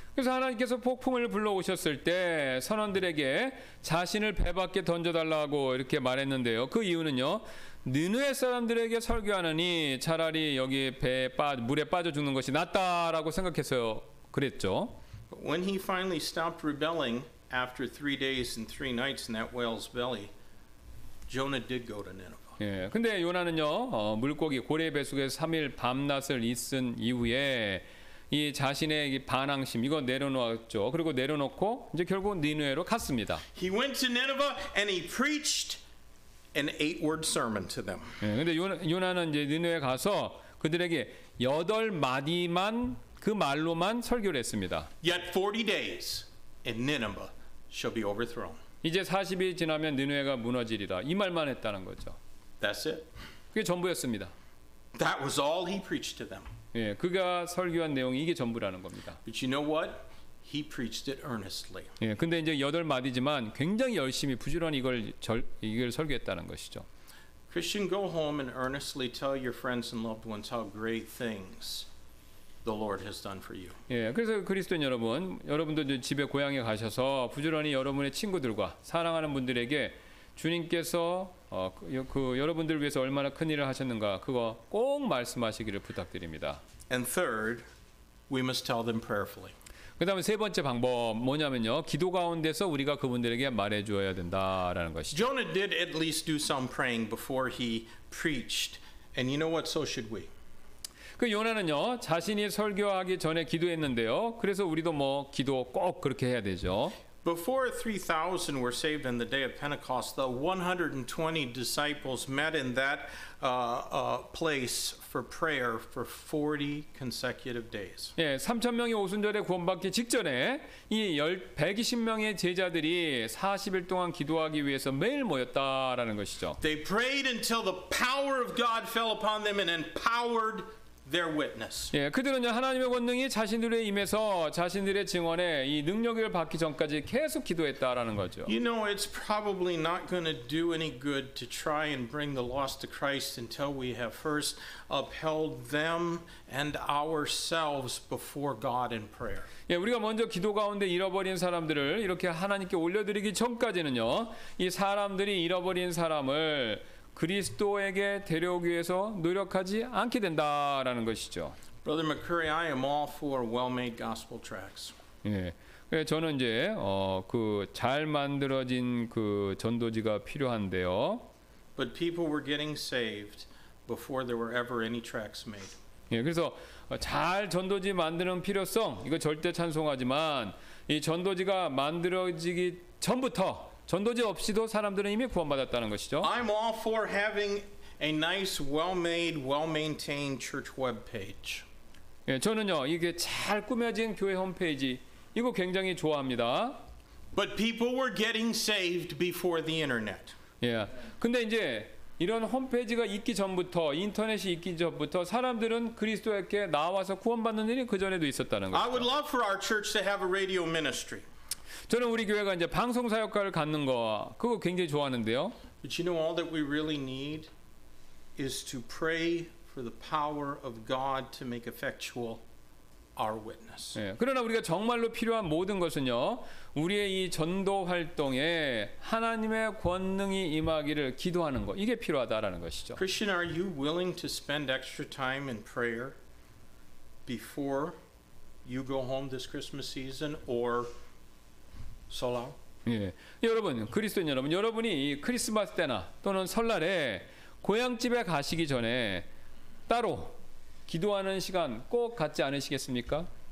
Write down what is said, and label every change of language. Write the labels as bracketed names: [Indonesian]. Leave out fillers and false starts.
[Korean] 그래서 하나님께서 폭풍을 불러오셨을 때 선원들에게 자신을 배 밖에 던져달라고 이렇게 말했는데요. 그 이유는요. 느느의 사람들에게 설교하느니 차라리 여기 물에 빠져 죽는 것이 낫다라고 생각해서요. 그랬죠. [English] When he finally stopped rebelling after 3 days and 3 nights in that whale's belly, Jonah did go to Nineveh. [Korean] 예, 근데 요나는요. 물고기 고래 배 속에서 3일 밤낮을 있은 이후에 이 자신의 반항심 이거 내려놓았죠. 그리고 내려놓고 이제 결국 니느웨로 갔습니다. [English] He went to Nineveh and he preached an 8-word sermon to them. [Korean] 근데 요나는 이제 니느웨 가서 그들에게 여덟 마디만 그 말로만 설교를 했습니다. [English] Yet 40 days and Nineveh shall be overthrown. [Korean] 이제 40일 지나면 니느웨가 무너지리라 이 말만 했다는 거죠. [English] That's it. [Korean] 그게 전부였습니다. [English] That was all he preached to them. [Korean] 예, 그가 설교한 내용이 이게 전부라는 겁니다. [English] But you know what? He preached it earnestly. [Korean] 예, 근데 이제 여덟 마디지만 굉장히 열심히 부지런히 이걸 설교했다는 것이죠. [English] Christian, go home and earnestly tell your friends and loved ones how great things the Lord has done for you. [Korean] 예, 그래서 그리스도인 여러분, 여러분도 이제 집에 고향에 가셔서 부지런히 여러분의 친구들과 사랑하는 분들에게 주님께서 그 여러분들을 위해서 얼마나 큰 일을 하셨는가 그거 꼭 말씀하시기를 부탁드립니다. [English] And third, we must tell them prayerfully. [Korean] 그다음에 세 번째 방법 뭐냐면요. 기도 가운데서 우리가 그분들에게 말해 주어야 된다라는 것이죠. [English] Jonah did at least do some praying before he preached. And you know what? So should we. [Korean] 그 요나는요. 자신이 설교하기 전에 기도했는데요. 그래서 우리도 뭐 기도 꼭 그렇게 해야 되죠. [English] Before 3,000 were saved on the day of Pentecost, the 120 disciples met in that place for prayer for 40 consecutive days. [Korean] 예, 3,000명이 오순절에 구원받기 직전에 이 120명의 제자들이 40일 동안 기도하기 위해서 매일 모였다라는 것이죠. [English] They prayed until the power of God fell upon them and empowered their witness. [Korean] 예, 그들은요 하나님의 권능이 자신들의 임에서 자신들의 증언에 이 능력을 받기 전까지 계속 기도했다라는 거죠. [English] You know, it's probably not going to do any good to try and bring the lost to Christ until we have first upheld them and ourselves before God in prayer. [Korean] 예, 우리가 먼저 기도 가운데 잃어버린 사람들을 이렇게 하나님께 올려드리기 전까지는요, 이 사람들이 잃어버린 사람을 그리스도에게 데려오기 위해서 노력하지 않게 된다라는 것이죠. [English] Brother McCurry, I am all for well-made gospel tracts. [Korean] 예, 저는 이제 그 잘 만들어진 그 전도지가 필요한데요. [English] But people were getting saved before there were ever any tracts made. [Korean] 예, 그래서 잘 전도지 만드는 필요성 이거 절대 찬송하지만 이 전도지가 만들어지기 전부터 전도지 없이도 사람들은 이미 구원받았다는 것이죠. [English] I'm all for having a nice, well-made, well-maintained church webpage. [Korean] 예, 저는요 이게 잘 꾸며진 교회 홈페이지 이거 굉장히 좋아합니다. [English] But people were getting saved before the internet. [Korean] 예, 근데 이제 이런 홈페이지가 있기 전부터 인터넷이 있기 전부터 사람들은 그리스도에게 나와서 구원받는 일이 그 전에도 있었다는 거죠. [English] I would love for our church to have a radio ministry. [Korean] 저는 우리 교회가 이제 방송 사역과를 갖는 거 그거 굉장히 좋아하는데요. [English] But you know, all that we really need is to pray for the power of God to make effectual our witness. [Korean] 예, 그러나 우리가 정말로 필요한 모든 것은요, 우리의 이 전도 활동에 하나님의 권능이 임하기를 기도하는 거 이게 필요하다라는 것이죠. [English] Christian, are you willing to spend extra time in prayer before you go home this Christmas season or Solo. [Korean] 예, 여러분 그리스도인 여러분 여러분이 크리스마스 때나 또는 설날에 고향집에 가시기 전에 따로 기도하는 시간 꼭 갖지 않으시겠습니까?